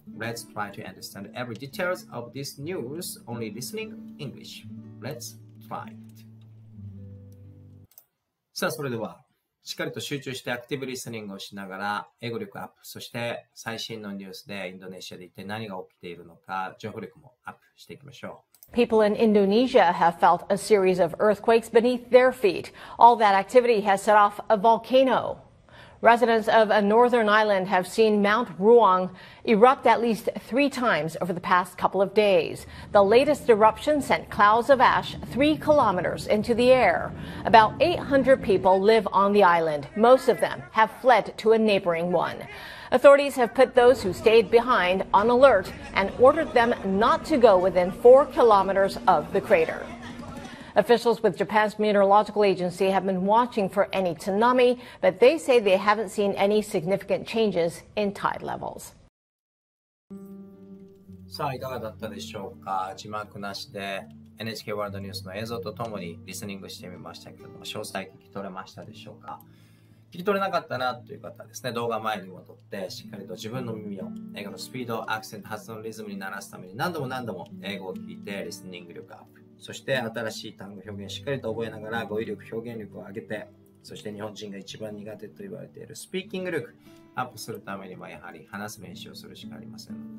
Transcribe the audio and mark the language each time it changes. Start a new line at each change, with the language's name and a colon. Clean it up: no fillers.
English: Let's try to understand every details of this news only listening English. Let's try it.
Japanese: さあそれではしっかりと集中してアクティブリスニングをしながら英語力アップ、そして最新のニュースでインドネシアで一体何が起きているのか情報力もアップしていきましょう。
English: People in Indonesia have felt a series of earthquakes beneath their feet. All that activity has set off a volcano. Residents of a northern island have seen Mount Ruang erupt at least three times over the past couple of days. The latest eruption sent clouds of ash 3 kilometers into the air. About 800 people live on the island. Most of them have fled to a neighboring one. Authorities have put those who stayed behind on alert and ordered them not to go within 4 kilometers of the crater. Officials with Japan's Meteorological Agency have been watching for any tsunami, but they say they haven't seen any significant changes in tide levels.
Japanese: さあいかがだったでしょうか。字幕なしで NHK ワールドニュースの映像とともにリスニングしてみましたけども、詳細聞き取れましたでしょうか。聞き取れなかったなという方はですね、動画前に戻ってしっかりと自分の耳を英語のスピード、アクセント、発音、リズムに慣らすために何度も何度も英語を聞いてリスニング力アップ、そして新しい単語表現しっかりと覚えながら語彙力、表現力を上げて、そして日本人が一番苦手と言われているスピーキング力アップするためには、やはり話す練習をするしかありません。